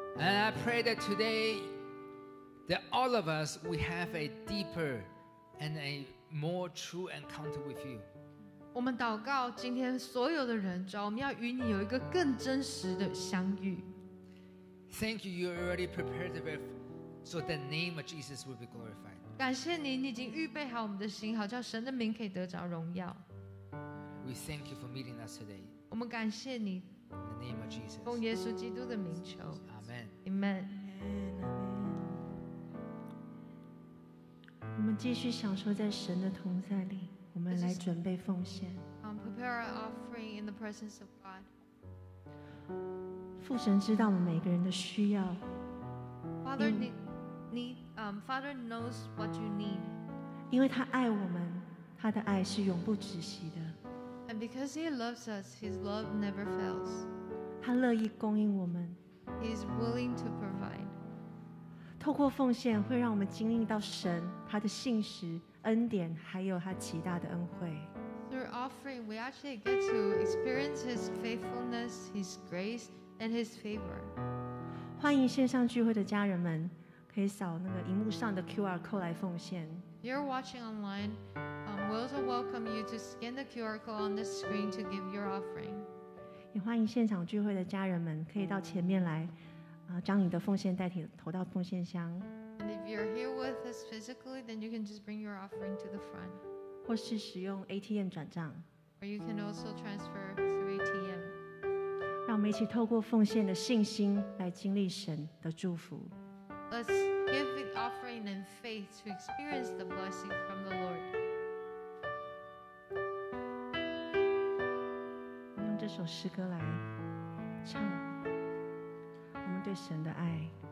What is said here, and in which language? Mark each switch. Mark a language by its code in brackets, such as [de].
[en] And I pray that today, that all of us we have a deeper and a more true encounter with you. [zh] 我们祷告，今天所有的人，主，我们要与你有一个更真实的相遇。 [en] Thank you. You already prepared the way, so the name of Jesus will be glorified. [zh] 感谢你，你已经预备好我们的心，好叫神的名可以得着荣耀。 [en] We thank you for meeting us today. [zh] 我们感谢你。 [en] In the name of Jesus. [zh] 奉耶稣基督的名求。 [en] Amen. Amen. [zh] 我们继续享受在神的同在里。我们来准备奉献。 [en] Prepare an offering in the presence of God. [zh] 父神知道我们每个人的需要。 [en] Father need. Father knows what you need. [zh] 因为他爱我们，他的爱是永不止息的。 [en] And because He loves us, His love never fails. [zh] 他乐意供应我们。 [en] He's willing to provide. [zh] 透过奉献，会让我们经历到神他的信实、恩典，还有他极大的恩惠。 [en] Through offering, we actually get to experience His faithfulness, His grace, and His favor. [zh] 欢迎线上聚会的家人们，可以扫那个荧幕上的 QR code 来奉献。 [en] You're watching online. We also welcome you to scan the QR code on the screen to give your offering. [zh] 也欢迎现场聚会的家人们可以到前面来，将你的奉献代替投到奉献箱。 [en] And if you're here with us physically, then you can just bring your offering to the front. [zh] 或是使用 ATM 转账。 [en] Or you can also transfer through ATM. [zh] 让我们一起透过奉献的信心来经历神的祝福。 [en] Let's give the offering and faith to experience the blessing from the Lord. [zh] 用这首诗歌来唱我们对神的爱。